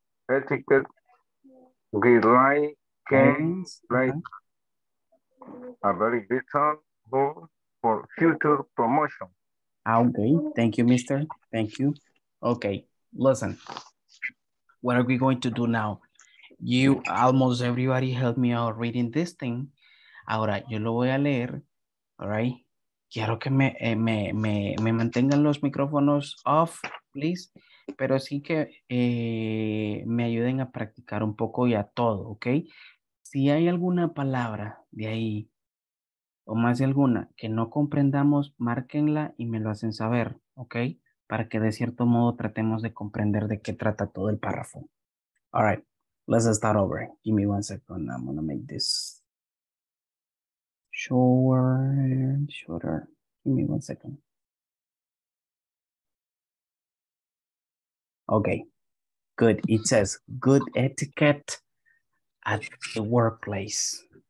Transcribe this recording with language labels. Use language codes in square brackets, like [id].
[en] Etiquette guidelines a very vital role for future promotion. Okay. Thank you, mister. Thank you. Okay. Listen. What are we going to do now? You, almost everybody helped me out reading this thing. [es] Ahora, yo lo voy a leer, [en] all right? [es] Quiero que me mantengan los micrófonos [en] off, please. [es] Pero sí que me ayuden a practicar un poco y a todo, okay? Si hay alguna palabra de ahí, o más de alguna, que no comprendamos, márquenla y me lo hacen saber, okay? Para que de cierto modo tratemos de comprender de qué trata todo el párrafo. [en] All right, let's start over. Give me 1 second, I'm gonna make this shorter. Give me 1 second. Okay, good. It says good etiquette at the workplace.